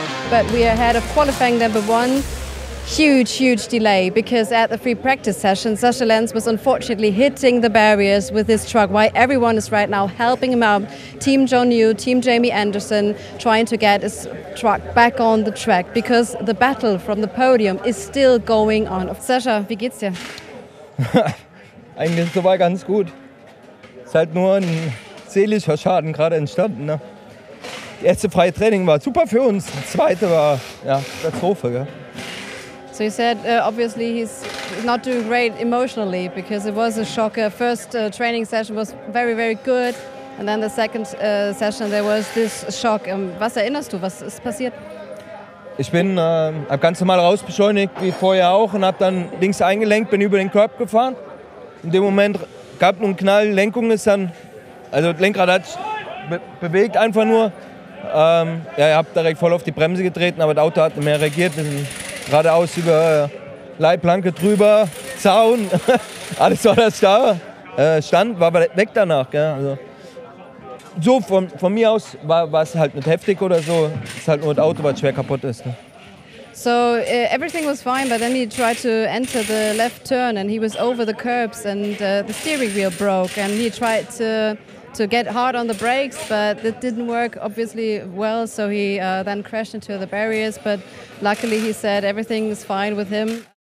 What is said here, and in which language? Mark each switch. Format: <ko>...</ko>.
<en>But we are ahead of qualifying number one. Huge, huge delay because at the free practice session, Sascha Lenz was unfortunately hitting the barriers with his truck. While everyone is right now helping him out, Team John Newell, Team Jamie Anderson, trying to get his truck back on the track because the battle from the podium is still going on.</en> <de>Sascha, wie geht's dir? Eigentlich ist soweit ganz gut. Es ist halt nur ein seelischer Schaden gerade entstanden. Ne? Das erste freie Training war super für uns. Das zweite war ja Katastrophe.</de> <en>So you said, obviously, he's not doing great emotionally because it was a shocker. First training session was very, very good. And then the second session, there was this shock.</en> <de>Was erinnerst du? Was ist passiert? Ich bin, hab ganz normal rausbeschleunigt, wie vorher auch, und hab dann links eingelenkt, bin über den Curb gefahren. In dem Moment gab es einen Knall, Lenkung ist dann, also das Lenkrad hat sich bewegt einfach nur. Ja, ich hab direkt voll auf die Bremse getreten, aber das Auto hat nicht mehr reagiert. Geradeaus über Leitplanke drüber, Zaun, alles war das da. Stand, war aber weg danach. Gell? Also, so von mir aus war es halt nicht heftig oder so. Es ist halt nur das Auto, was schwer kaputt ist. Ne?</de> <en>So everything was fine, but then he tried to enter the left turn and he was over the curbs and the steering wheel broke and he tried to get hard on the brakes, but it didn't work obviously well, so he then crashed into the barriers, but luckily he said everything is fine with him.</en>